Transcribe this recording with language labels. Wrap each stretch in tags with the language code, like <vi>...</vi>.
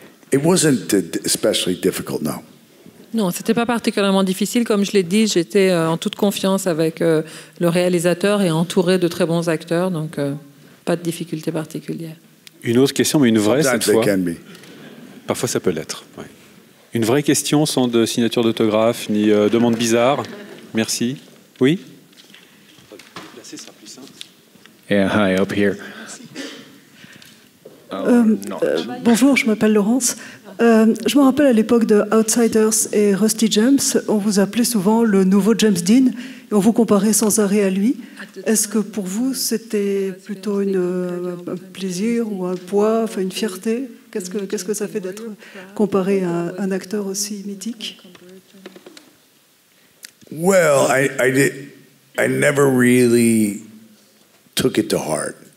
<en>It wasn't especially difficult. No.</en> <fr>Non, ce n'était pas particulièrement difficile. Comme je l'ai dit, j'étais en toute confiance avec le réalisateur et entouré de très bons acteurs, donc pas de difficulté particulière. Une autre question, mais une vraie</fr> <en>Sometimes</en> <fr>cette fois.</fr> <en>They can be.</en> <fr>Parfois ça peut l'être. Ouais. Une vraie question sans de signature d'autographe ni demande bizarre. Merci. Oui.</fr> <en>Yeah, hi, up here.</en> <fr>Bonjour, je m'appelle Laurence. Je me rappelle à l'époque de Outsiders et Rusty James, on vous appelait souvent le nouveau James Dean et on vous comparait sans arrêt à lui. Est-ce que pour vous c'était plutôt un plaisir ou un poids, enfin une fierté? Qu'est-ce que ça fait d'être comparé à un acteur aussi mythique?</fr> <en>Well, I never really took it to heart.</en>